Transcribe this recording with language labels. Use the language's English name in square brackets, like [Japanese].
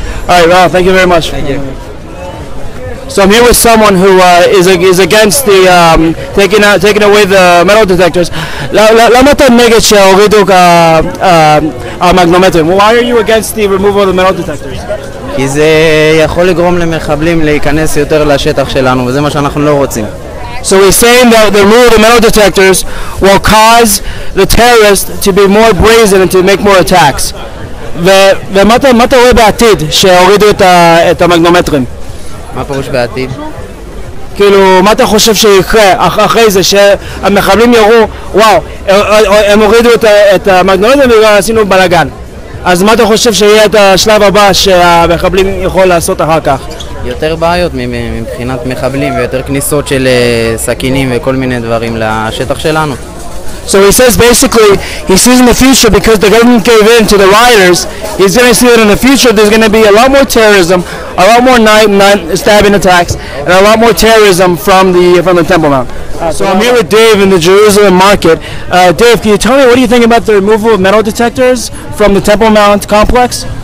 [English] All right, thank you very much. Thank you. So I'm here with someone who is against the taking away the metal detectors. Why are you against the removal of the metal detectors? [Hebrew] כי זה יכול לגרום למחבלים להיכנס יותר לשטח שלנו, וזה מה שאנחנו לא רוצים. [English] So he's saying that the removal of the metal detectors will cause the terrorists to be more brazen and to make more attacks. [Hebrew] ומה אתה רואה בעתיד שהורידו את המגנומטרים? מה פירוש בעתיד? כאילו, מה אתה חושב שיקרה אחרי זה שהמחבלים יראו, וואו, הם הורידו את המגנומטרים ועשינו בלגן. אז מה אתה חושב שיהיה את השלב הבא שהמחבלים יכול לעשות אחר כך? יותר בעיות מבחינת מחבלים ויותר כניסות של סכינים וכל מיני דברים לשטח שלנו. [English] So he says basically he sees in the future, because the government gave in to the rioters, he's going to see that in the future there's going to be a lot more terrorism, a lot more night stabbing attacks, and a lot more terrorism from the Temple Mount. So I'm here with Dave in the Jerusalem market. Dave, can you tell me, what do you think about the removal of metal detectors from the Temple Mount complex?